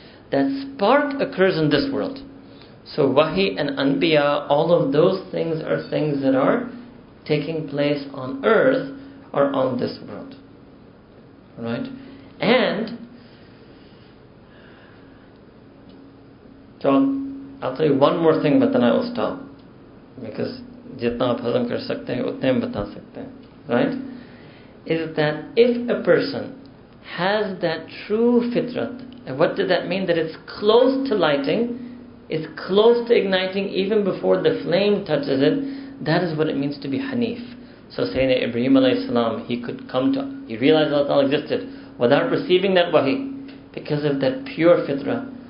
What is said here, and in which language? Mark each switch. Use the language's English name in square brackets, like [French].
[English] That spark occurs in this world. So wahi and anbiya, all of those things are things that are taking place on earth or on this world. Right? And so I'll tell you one more thing, but then I will stop. Because [Urdu] جتنا آپ ہضم کر سکتے ہیں، اتنے بتا سکتے ہیں. [English] Right? Is that if a person has that true fitrat, and what does that mean? That it's close to lighting, it's close to igniting even before the flame touches it. That is what it means to be hanif. So Sayyidina Ibrahim alayhi salam, he realized Allah Ta'ala existed without receiving that wahi because of that pure fitrah.